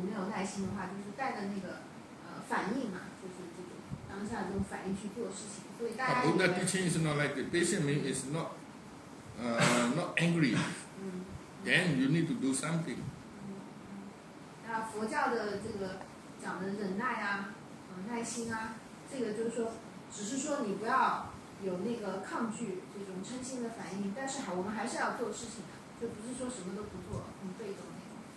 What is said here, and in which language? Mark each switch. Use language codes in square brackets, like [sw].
[zh] 因为大家只能理解，就是所谓的，就是如果不忍辱，没有耐心的话，就是带着那个反应嘛。 [en] Buddha teaching is not like the patient means it's not not angry. Then you need to do something. [zh] 那佛教的这个讲的忍耐啊，耐心啊，这个就是说，只是说你不要有那个抗拒这种嗔心的反应，但是我们还是要做事情的，就不是说什么都不做，很被动那种。